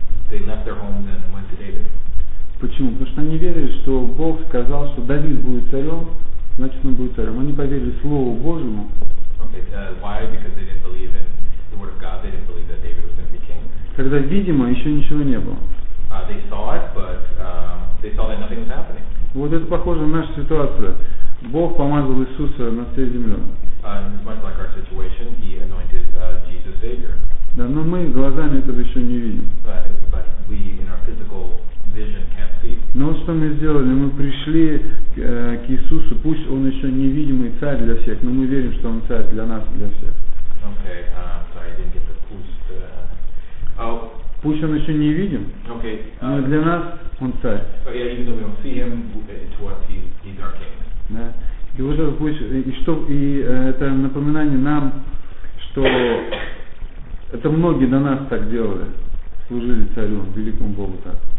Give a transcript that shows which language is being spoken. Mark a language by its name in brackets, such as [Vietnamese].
[English] They left their homes and went to David. [Russian] Почему? Потому что они верили, что Бог сказал, что Давид будет царем, значит, он будет царем. Они поверили Слову Божьему. [English] Why? Because they didn't believe in the word of God. They didn't believe that David was going to be king. [Russian] Когда, видимо, еще ничего не было. [English] They saw it, but they saw that nothing was happening. [Russian] Вот это похоже на нашу ситуацию. Бог помазал Иисуса на всю землю. [English] Much like our situation, he anointed Jesus Savior. [Russian] Да, но мы глазами этого еще не видим. [English] But we in our physical vision can't see. [Russian] Но что мы сделали? Мы пришли к Иисусу. Пусть он еще невидимый царь для всех, но мы верим, что он царь для нас и для всех. [English] Okay, sorry, I didn't get the pust. [Russian] Пусть он еще не видим, [English] okay, [Russian] но для нас он царь. [English] Yeah, even though we don't see him, to us he's our king. [Russian] Да. И вот это пусть, и что, и это напоминание нам, что это многие до нас так делали, служили царю, великому Богу так.